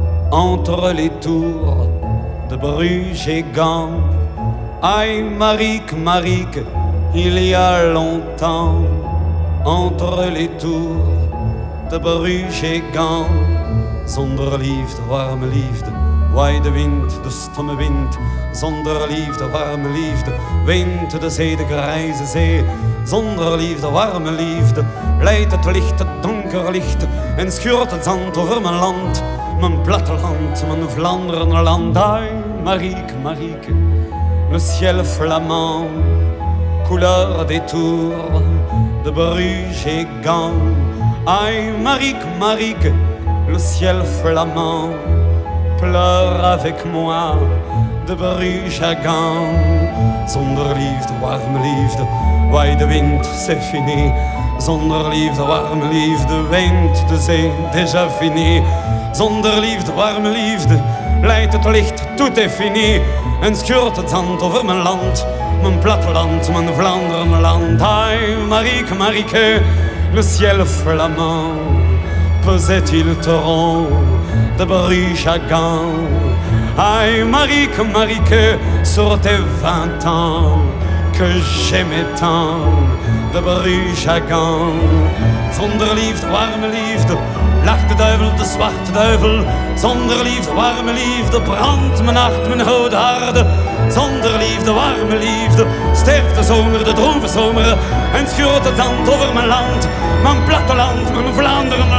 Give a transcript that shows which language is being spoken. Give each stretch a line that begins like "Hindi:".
French: Entre les tours de Bruges et Gand. Aïe, Marique, Marique, il y a longtemps. Entre les tours de Bruges et Gand.
Dutch: Zonder liefde, warme liefde, waai de wind, de stomme wind. Zonder liefde, warme liefde, wind de zee, de grijze zee. Zonder liefde, warme liefde, leidt het licht, het donker licht. En schuurt het zand over mijn land, mijn platteland, mijn Vlaanderen land.
French: Ai, Marieke, Marieke, le ciel flamand, couleur des tours de Bruges et Gand. Ai, Marieke, Marieke, le ciel flamand, pleure avec moi de Bruges à Gand.
Dutch: Zonder liefde, warme liefde, waai de wind,
French: c'est fini.
Dutch: Zonder liefde, warme liefde, wind de zee,
French: déjà fini.
Dutch: Zonder liefde, warme liefde, leidt het licht,
French: tout est fini.
Dutch: En schuurt het zand over mijn land, mijn platteland, mijn Vlaanderen land.
French: Ai, Marieke, Marieke, le ciel flamand, pesait-il te rond de Bruges à Gand. Aïe, Marieke, Marieke, sur tes 20 ans que j'aimais tant de Bruges à Gand.
Dutch: Zonder liefde, warme liefde, lacht de duivel, de zwarte duivel. Zonder liefde, warme liefde, brandt mijn hart, mijn houde harde. Zonder liefde, warme liefde, sterft de zomer, de droom van zomer. En schuurt het zand over mijn land, mijn platteland, mijn Vlaanderen.